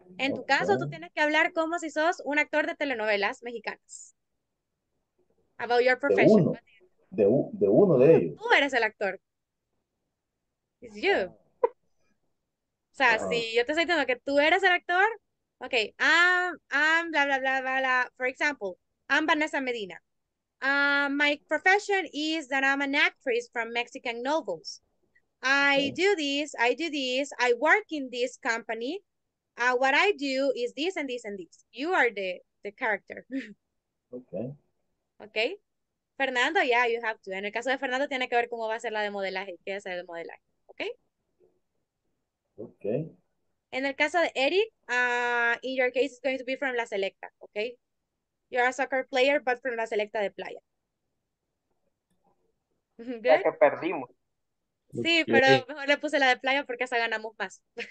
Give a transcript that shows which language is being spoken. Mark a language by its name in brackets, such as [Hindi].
[Spanish] En tu caso, tú tienes que hablar como si sos un actor de telenovelas mexicanas. [English] About your profession. [Spanish] De uno. De uno de ellos. Tú eres el actor. [English] It's you. [Spanish] O sea, si yo te estoy diciendo que tú eres el actor... [English] Okay, I'm blah, blah, blah, blah, blah. For example, I'm Vanessa Medina. My profession is that I'm an actress from Mexican novels. I do this, I work in this company. What I do is this and this and this. You are the character. Okay. [Spanish] Okay. Fernando, [English] yeah, you have to. [Spanish] En el caso de Fernando, tiene que ver cómo va a ser la de modelaje, qué es el modelaje. Okay. [English] Okay. [Spanish] En el caso de Eric, [English] in your case, it's going to be from La Selecta, okay? You're a soccer player, but from La Selecta de Playa. Good? [Spanish] Ya que perdimos. Sí, pero mejor le puse la de Playa porque hasta ganamos más.